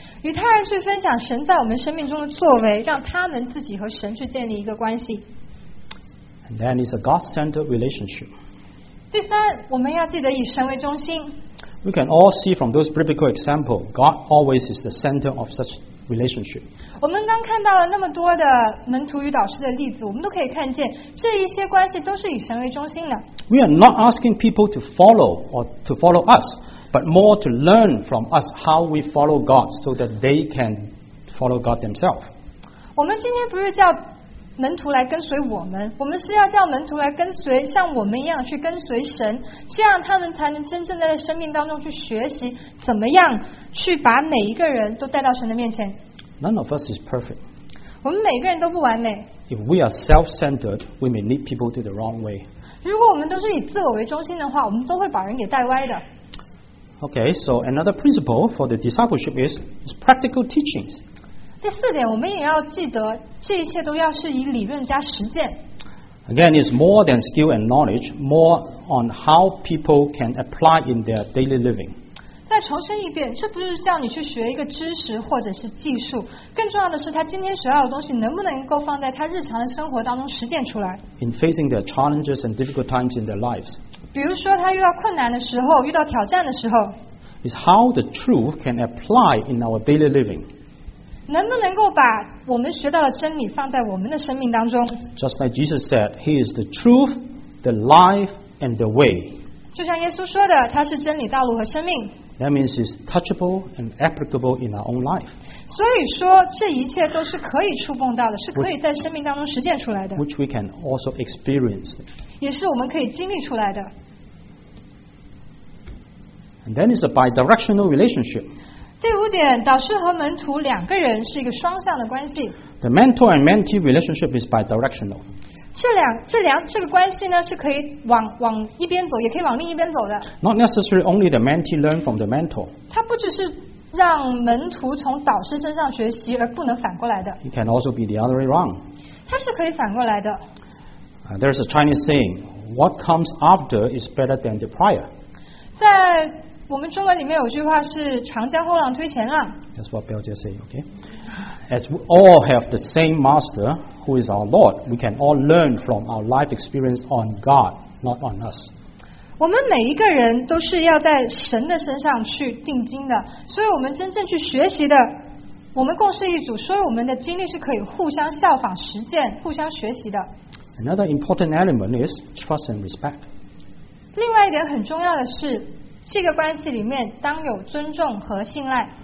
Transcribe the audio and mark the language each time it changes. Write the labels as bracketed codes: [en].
[zh] 与他人去分享神在我们生命中的作为，让他们自己和神去建立一个关系。 [en] And then it's a God-centered relationship. [zh] 第三，我们要记得以神为中心。 [en] We can all see from those biblical examples, God always is the center of such relationship. [zh] 我们刚看到了那么多的门徒与导师的例子，我们都可以看见这一些关系都是以神为中心的。 [en] We are not asking people to follow or to follow us. But more to learn from us how we follow God so that they can follow God themselves. [zh] 我们今天不是叫门徒来跟随我们，我们是要叫门徒来跟随，像我们一样去跟随神，这样他们才能真正在生命当中去学习怎么样去把每一个人都带到神的面前。 [en] None of us is perfect. [zh] 我们每个人都不完美。 [en] If we are self-centered, we may lead people to the wrong way. [zh] 如果我们都是以自我为中心的话，我们都会把人给带歪的。 [en] Okay, so another principle for the discipleship is practical teachings. [zh] 第四点，我们也要记得，这一切都要是以理论加实践。 [en] Again, it's more than skill and knowledge, more on how people can apply in their daily living. [zh] 在再重申一遍，这不是叫你去学一个知识或者是技术，更重要的是他今天学到的东西能不能够放在他日常的生活当中实践出来。 [en] In facing their challenges and difficult times in their lives， [zh] 比如说他遇到困难的时候，遇到挑战的时候， [en] is how the truth can apply in our daily living， [zh] 能不能够把我们学到的真理放在我们的生命当中。 [en] Just like Jesus said, he is the truth, the life and the way， [zh] 就像耶稣说的，他是真理、道路和生命。 [en] That means it's touchable and applicable in our own life. [zh] 所以说，这一切都是可以触碰到的，是可以在生命当中实践出来的。 [en] Which we can also experience. [zh] 也是我们可以经历出来的。 [en] And then it's a bidirectional relationship. [zh] 第五点，导师和门徒两个人是一个双向的关系。 [en] The mentor and mentee relationship is bidirectional. [zh] 这个关系呢是可以 往一边走，也可以往另一边走的。 [en] Not necessarily only the mentee learn from the mentor. [zh] 它不只是让门徒从导师身上学习，而不能反过来的。 [en] It can also be the other way around. [zh] 它是可以反过来的。 [en] There is a Chinese saying, "What comes after is better than the prior." [zh] 在我们中文里面有句话是"长江后浪推前浪"。 [en] That's what Biao Jie said, okay? As we all have the same master. Who is our Lord? We can all learn from our life experience on God, not on us. [zh] 我们每一个人都是要在神的身上去定睛的，所以我们真正去学习的，我们共事一组，所以我们的经历是可以互相效仿、实践、互相学习的。 [en] Another important element is trust and respect. [zh] 另外一点很重要的是，这个关系里面当有尊重和信赖。